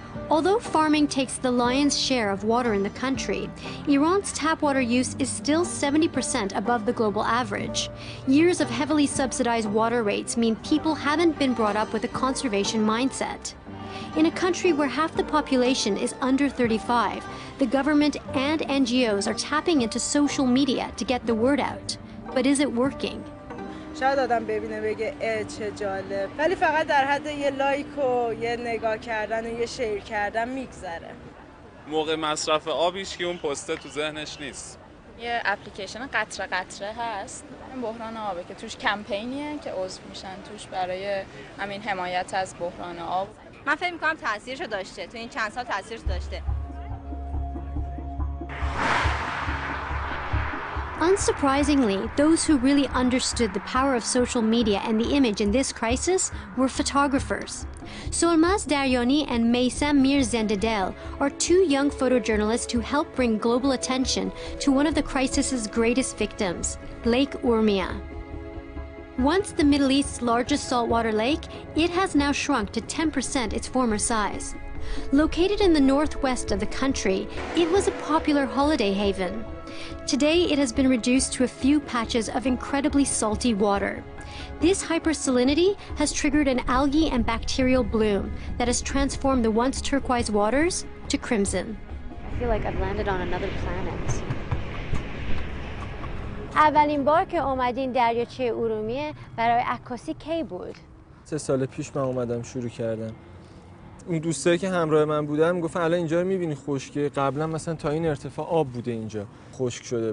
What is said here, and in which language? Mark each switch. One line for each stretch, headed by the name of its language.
English: Although farming takes the lion's share of water in the country, Iran's tap water use is still 70% above the global average. Years of heavily subsidized water rates mean people haven't been brought up with a conservation mindset. In a country where half the population is under 35, the government and NGOs are tapping into social media to get the word out. But is it working?
Persian: شاید آدم ببینه بگه چه جالب. ولی فقط در حد یه لایک و یه نگاه کردن و یه شیر کردن میگذره. موقع مصرف آبیش که اون پسته تو ذهنش نیست. یه اپلیکیشن قطره قطره هست. بحران آبه که توش کمپینیه که عضو میشن توش برای همین حمایت از بحران آب. من فکر میکنم تأثیرشو داشته. تو این چند سال تأثیرشو داشته.
English: Unsurprisingly, those who really understood the power of social media and the image in this crisis were photographers. Solmaz Daryani and Meysam Mirzendedel are two young photojournalists who helped bring global attention to one of the crisis's greatest victims, Lake Urmia. Once the Middle East's largest saltwater lake, it has now shrunk to 10% its former size. Located in the northwest of the country, it was a popular holiday haven. Today, it has been reduced to a few patches of incredibly salty water. This hypersalinity has triggered an algae and bacterial bloom that has transformed the once turquoise waters to crimson. I feel like I've landed on another planet.
Persian: اولین بار که اومدین دریاچه ارومیه برای عکاسی کی بود؟ 3 سال پیش من اومدم شروع کردم. این دوستایی که همراه من بودن میگفتن الان اینجا رو میبینی خشکه، قبلا مثلا تا این ارتفاع آب بوده اینجا خشک شده.